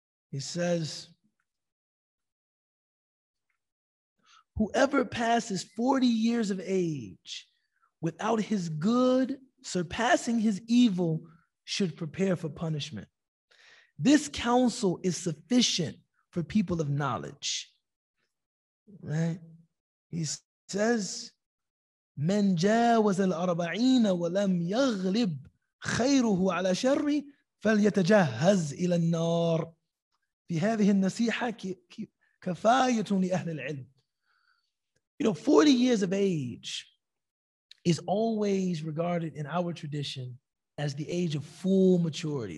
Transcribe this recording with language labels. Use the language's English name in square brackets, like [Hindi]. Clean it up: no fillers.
[English] He says, whoever passes 40 years of age without his good surpassing his evil should prepare for punishment. This counsel is sufficient for people of knowledge. Right? He says, [Arabic] من جاوز الأربعين ولم يغلب خيره على شره فليتجهز إلى النار. في هذه النصيحة كفاية لأهل العلم. [English] You know, 40 years of age is always regarded in our tradition as the age of full maturity.